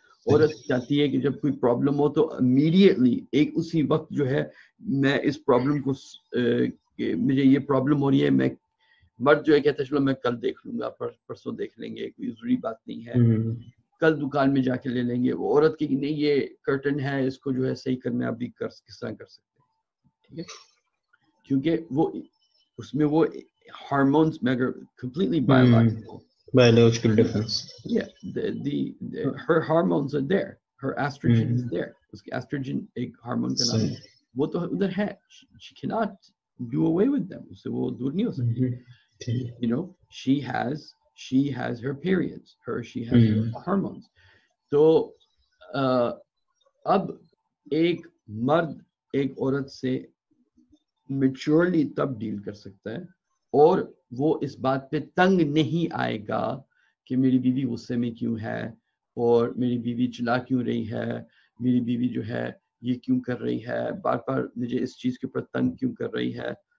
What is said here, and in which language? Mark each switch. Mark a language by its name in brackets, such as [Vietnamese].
[Urdu] عورت چاہتی ہے کہ جب کوئی پرابلم ہو تو امیڈیٹلی ایک اسی وقت جو ہے میں اس پرابلم کو, مجھے یہ پرابلم ہو رہی ہے, میں مرد جو ہے کہتا ہے چلو میں کل دیکھ لوں گا, پرسوں دیکھ لیں گے, کوئی ضروری بات نہیں ہے, کل دکان میں جا کے لے لیں گے. وہ عورت کی نہیں, یہ کرٹن ہے اس کو جو ہے صحیح کرنا ہے, ابھی کر کس طرح کر سکتے ہیں. ٹھیک ہے, کیونکہ وہ اس میں وہ ہارمونز میں اگر completely [English] biological difference, yeah, her hormones are there, her estrogen is there, [Urdu] uske estrogen ek hormone ka naam hai, wo to udhar hai, [English] she cannot do away with them, so [Urdu] wo dur nahi ho sakti, [English] you know, she has her periods, her hormones. [Urdu] To ab ek mard ek aurat se maturely tab deal kar sakta hai aur وہ اس بات پہ تنگ نہیں آئے گا کہ میری بیوی غصے میں کیوں ہے اور میری بیوی چلا کیوں رہی ہے, میری بیوی جو ہے یہ کیوں کر رہی ہے, بار بار مجھے اس چیز کے اوپر تنگ کیوں کر رہی ہے.